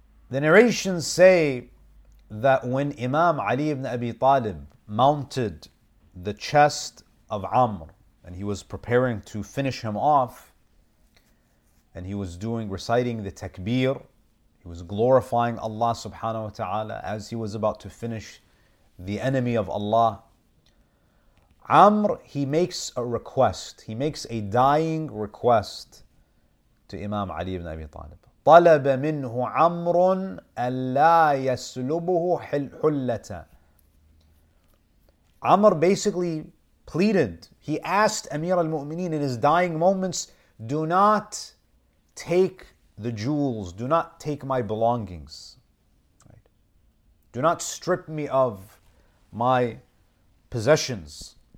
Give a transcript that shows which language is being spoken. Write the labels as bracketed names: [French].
[English] The narrations say that when Imam Ali ibn Abi Talib mounted the chest of Amr and he was preparing to finish him off, and he was reciting the takbir, he was glorifying Allah subhanahu wa ta'ala as he was about to finish the enemy of Allah, Amr, he makes a request, he makes a dying request to Imam Ali ibn Abi Talib. [Arabic] طلب منه عمر ألا يسلبه حلة. [English] Amr basically pleaded, he asked Amir al-Mu'mineen in his dying moments, do not take the jewels, do not take my belongings. Right. Do not strip me of my possessions.